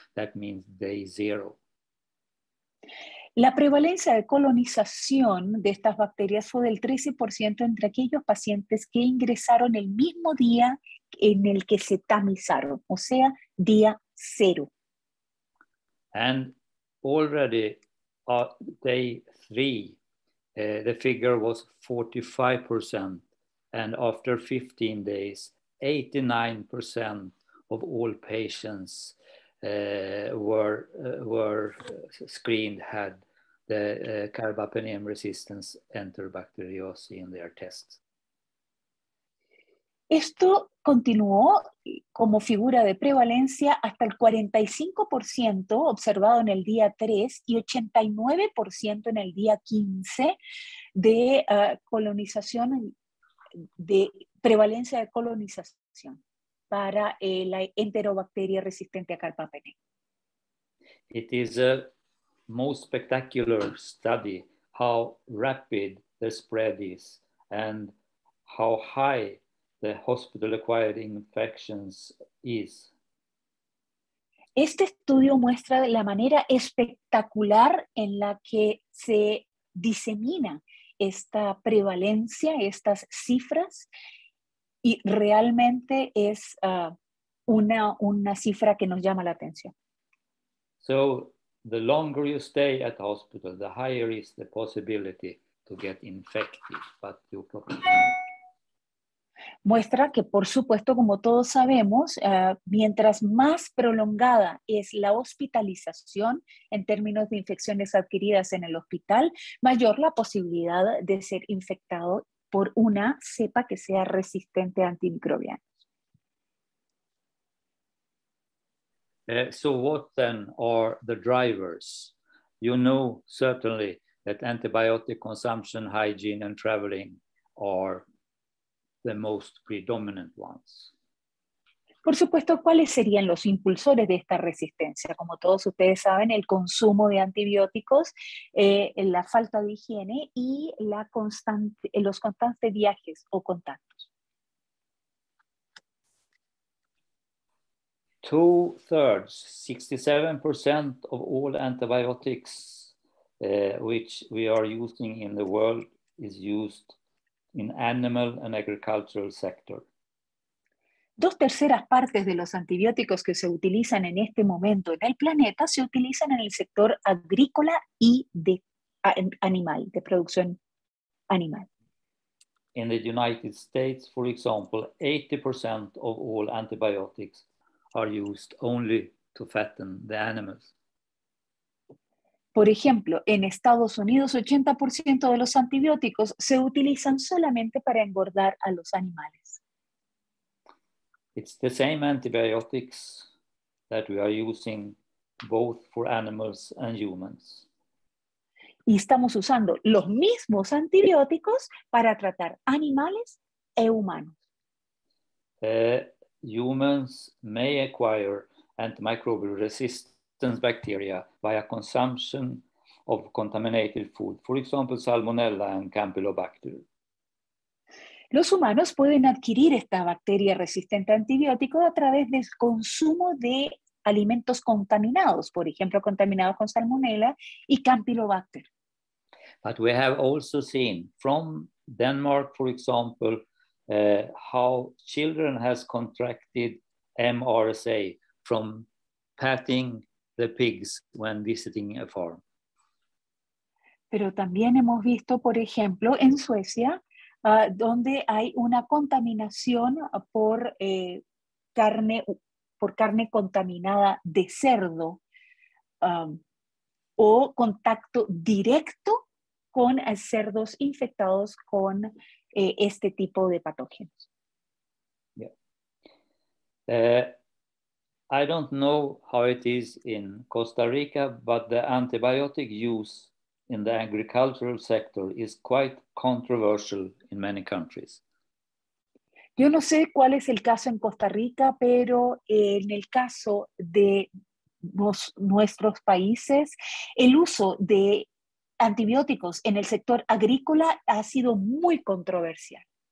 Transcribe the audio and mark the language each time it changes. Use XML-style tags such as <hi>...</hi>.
<en>That means day zero.</en> <es>La prevalencia de colonización de estas bacterias fue del 13% entre aquellos pacientes que ingresaron el mismo día en el que se tamizaron, o sea, día cero.</es> <en>And already day three, the figure was 45%, and after 15 days, 89% of all patients were screened had the carbapenem resistance enterobacteriosis in their tests.</en> <es>Esto continuó como figura de prevalencia hasta el 45% observado en el día 3 y 89% en el día 15 de colonización, de prevalencia de colonización para la enterobacteria resistente a carbapenem.</es> <en>It is a most spectacular study how rapid the spread is and how high the hospital acquired infections is.</en> <es>Este estudio muestra la manera espectacular en la que se disemina esta prevalencia, estas cifras, y realmente es una cifra que nos llama la atención.</es> <en>So, the longer you stay at the hospital, the higher is the possibility to get infected, but you probably</en> <es>muestra que, por supuesto, como todos sabemos, mientras más prolongada es la hospitalización en términos de infecciones adquiridas en el hospital, mayor la posibilidad de ser infectado por una cepa que sea resistente a antimicrobianos.</es> <en>So what then are the drivers? You know certainly that antibiotic consumption, hygiene and traveling are the most predominant ones.</en> <es>Por supuesto, ¿cuáles serían los impulsores de esta resistencia? Como todos ustedes saben, el consumo de antibióticos, la falta de higiene y los constantes viajes o contactos.</es> <en>Two thirds, 67% of all antibiotics which we are using in the world is used in animal and agricultural sector.</en> <es>Dos terceras partes de los antibióticos que se utilizan en este momento en el planeta se utilizan en el sector agrícola y de animal, de producción animal.</es> <en>In the United States, for example, 80% of all antibiotics are used only to fatten the animals.</en> <es>Por ejemplo, en Estados Unidos, 80% de los antibióticos se utilizan solamente para engordar a los animales.</es> <en>It's the same antibiotics that we are using both for animals and humans.</en> <es>Y estamos usando los mismos antibióticos para tratar animales e humanos.</es> <en>Humans may acquire antimicrobial resistance bacteria via consumption of contaminated food, for example, Salmonella and Campylobacter.</en> <es>Los humanos pueden adquirir esta bacteria resistente a antibiótico a través del consumo de alimentos contaminados, por ejemplo, contaminados con Salmonella y Campylobacter.</es> <en>But we have also seen from Denmark, for example, how children has contracted MRSA from patting the pigs when visiting a farm.</en> <es>Pero también hemos visto, por ejemplo, en Suecia, donde hay una contaminación por carne contaminada de cerdo o contacto directo con cerdos infectados con este tipo de patógenos. Yeah.</es> <en>I don't know how it is in Costa Rica, but the antibiotic use in the agricultural sector is quite controversial in many countries.</en> <es>Yo no sé cuál es el caso en Costa Rica, pero en el caso de nuestros países, el uso de antibióticos en el sector agrícola ha sido muy controversial.</es>